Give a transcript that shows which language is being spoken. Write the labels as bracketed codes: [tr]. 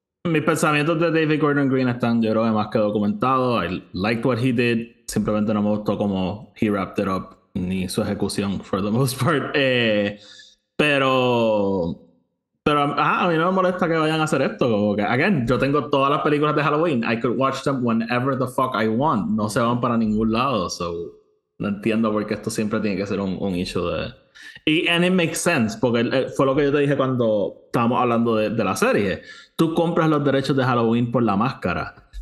[es] Mis pensamientos de David Gordon Green están, yo creo, más que documentados. [en] I liked what he did. [es] Simplemente no me gustó como [en] he wrapped it up, [es] ni su ejecución [en] for the most part. [es] A mí no me molesta que vayan a hacer esto. Okay. Again, yo tengo todas las películas de Halloween. [en] I could watch them whenever the fuck I want. [es] No se van para ningún lado. So, no entiendo por qué esto siempre tiene que ser un issue de... [en] And it makes sense, [es] porque fue lo que yo te dije cuando estábamos hablando de la serie. Tú compras los derechos de Halloween por la máscara.